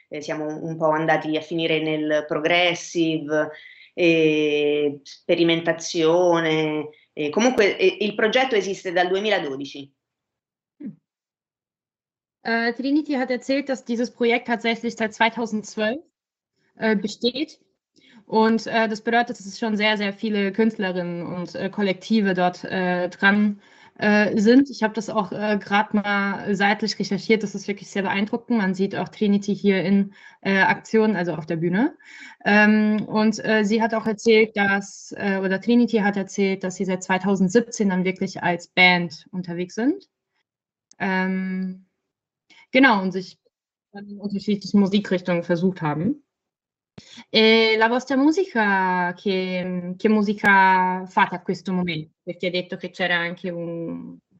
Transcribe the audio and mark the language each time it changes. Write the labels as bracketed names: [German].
[Italian] Siamo un po' andati a finire nel progressive, sperimentazione. Comunque il progetto esiste dal 2012. [German] Trinity hat erzählt, dass dieses Projekt tatsächlich seit 2012 besteht. Und das bedeutet, dass es schon sehr, sehr viele Künstlerinnen und Kollektive dort dran sind. Ich habe das auch gerade mal seitlich recherchiert, das ist wirklich sehr beeindruckend. Man sieht auch Trinity hier in Aktion, also auf der Bühne. Und sie hat auch erzählt, dass, oder Trinity hat erzählt, dass sie seit 2017 dann wirklich als Band unterwegs sind. Genau, und sich dann in unterschiedlichen Musikrichtungen versucht haben. [Italian] E la vostra musica, che musica fate a questo momento? Perché hai detto che c'era anche un...